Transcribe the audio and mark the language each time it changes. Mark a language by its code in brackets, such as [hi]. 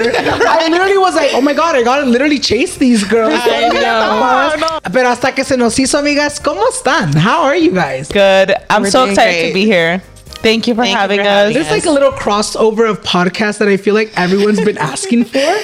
[en] I literally was like, oh my God, I gotta literally chase these girls. I know. [es] Pero hasta que se nos hizo, amigas, ¿cómo están? [en] How are you guys? Good. I'm so excited to be here. Thank you for having us. This is like a little crossover of podcasts that I feel like everyone's been asking for.